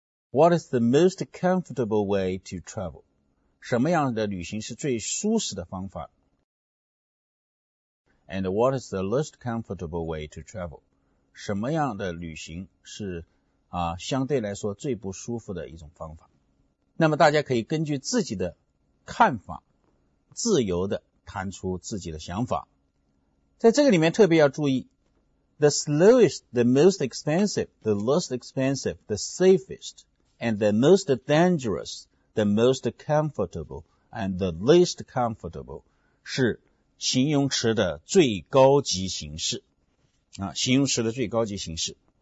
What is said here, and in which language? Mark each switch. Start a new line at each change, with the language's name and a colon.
English: What is the most comfortable way to travel?
Chinese: 什么样的旅行是最舒适的方法？
English: And what is the least comfortable way to travel?
Chinese: 什么样的旅行是啊，相对来说最不舒服的一种方法？那么大家可以根据自己的看法自由地谈出自己的想法。在这个里面特别要注意
English: The slowest, the most expensive, the least expensive, the safest, and the most dangerous, the most comfortable, and the least comfortable
Chinese: 是形容词的最高级形式
English: 啊，形容词的最高级形式。